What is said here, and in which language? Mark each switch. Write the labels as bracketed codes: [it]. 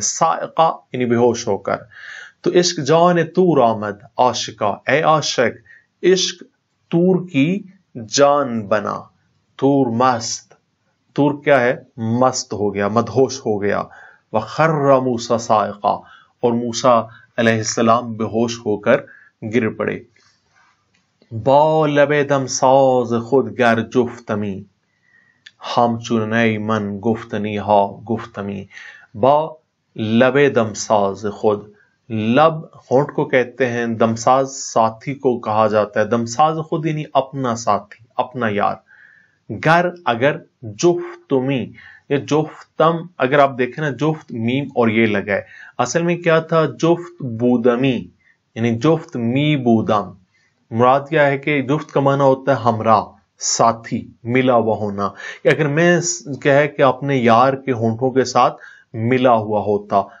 [ur] سائقہ یعنی بے ہوش ہو کر. [fa] تو عشق جان طور آمد عاشقا, [ur] اے عاشق عشق طور کی جان بنا. طور مست, طور کیا ہے, مست ہو گیا, مدہوش ہو گیا. [ar] وخر موسیٰ سائقہ, [ur] اور موسیٰ علیہ السلام بے ہوش ہو کر گر پڑے. [fa] با لب دم ساز خود گر جفتمی, ہمچون من گفتنی ها گفتمی. [ur] با لب دمساز خود, لب ہونٹ کو کہتے ہیں, دمساز ساتھی کو کہا جاتا ہے, دمساز خود یعنی اپنا ساتھی اپنا یار. گر اگر, جفتمی یا جفتم اگر آپ دیکھیں نا, جفت میم اور یہ لگا ہے, اصل میں کیا تھا, جفت بودمی یعنی جفت می بودم, مراد کیا ہے کہ جفت کا معنی ہوتا ہے ہمراہ, ساتھی, ملا ہوا ہونا, کہ اگر میں کہے کہ اپنے یار کے ہونٹوں کے ساتھ ملا ہوا ہوتا.